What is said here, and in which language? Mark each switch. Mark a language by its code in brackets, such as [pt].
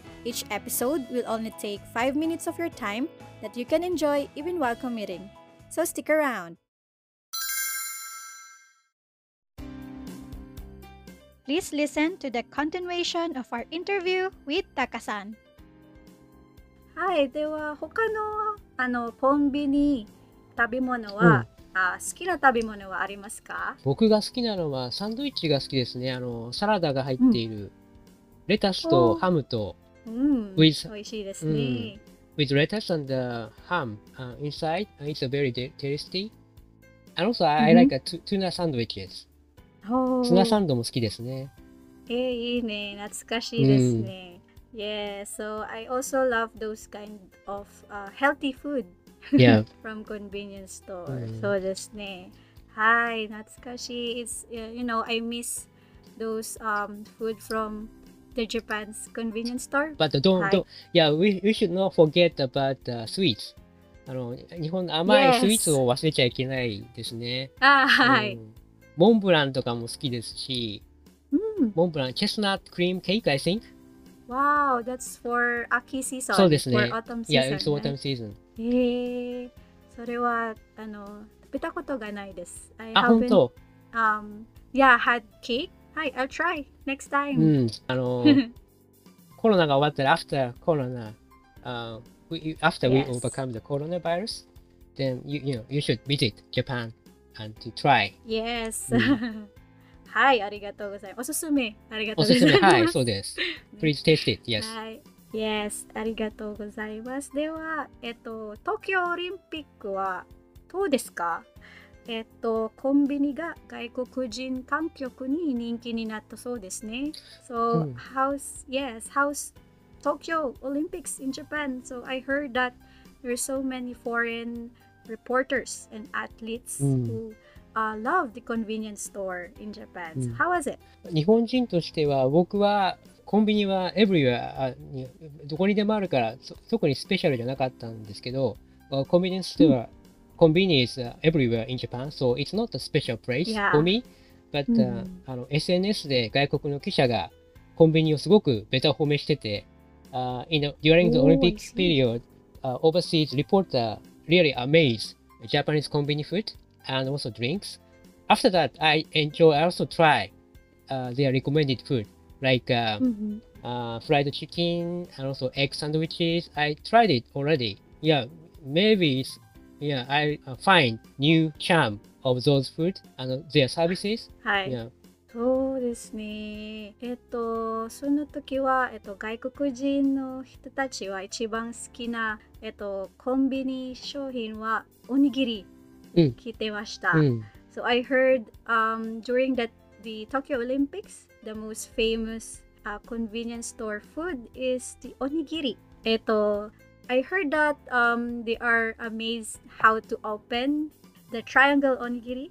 [en] Each episode will only take 5 minutes of your time that you can enjoy even while commuting. So stick around! Please listen to the continuation of our interview with Taka-san. [ja] Hi, では他のあのコンビニ食べ物は、好きな食べ物はありますか？僕が好きなのはサンドウィッチが好きですね。あのサラダが入っているレタスとハムと、 with, 美味しいですね。 [en] With lettuce and the ham inside, it's a very tasty. And also, I like a tuna sandwich, yes. [ja] ツナサンドも好きですね。いいね、懐かしいですね。 [en] Yeah, so I also love those kind of healthy food from convenience store. [ja] そうですね。はい、懐かしい。 [en] It's, you know, I miss those food from the Japan's convenience store. But we should not forget about the sweets. [ja] あの、日本の甘いスイーツを忘れちゃいけないですね。はい。モンブランとかも好きですし、モンブラン、 [en] chestnut cream cake, I think. Wow, that's for 秋 season. [ja] そうですね。 [en] For autumn season. Yeah, it's autumn season. [ja] それはあの食べたことがないです。あ、本当。 [en] Had cake. Hi, I'll try next time. [ja] あのコロナが終わったら、 [en] after corona, we overcome the coronavirus, then you should visit Japan. And to try. Yes. [ja] はい、ありがとうございます。おすすめ、ありがとうございます。おすすめ、はい、そうです。 [en] Please taste it. Yes. [ja] はい。 [en] Yes. [ja] ありがとうございます。では、東京オリンピックはどうですか？コンビニが外国人観客に人気になったそうですね。 [en] So, how's Tokyo Olympics in Japan? So, I heard that there are so many foreign... reporters and athletes who love the convenience store in Japan. So how was it? [ja] 日本人としては僕はコンビニは everywhere どこにでもあるから特にスペシャルじゃなかったんですけど、 [en] convenience store is everywhere in Japan, so it's not a special place for me. But [ja] あの SNS で外国の記者がコンビニをすごくベタ褒めしてて、 [en] during the Olympic period, overseas reporterreally amazed Japanese convenience food and also drinks. After that, I enjoy, I also try their recommended food like fried chicken and also egg sandwiches. I tried it already. Yeah, maybe I find new charm of those food and their services. Hi. Yeah. [ja] そうですね。その時は外国人の人たちは一番好きなコンビニ商品はおにぎり聞いてました。 [en] So I heard during the Tokyo Olympics, the most famous convenience store food is the onigiri. I heard that they are amazed how to open the triangle onigiri.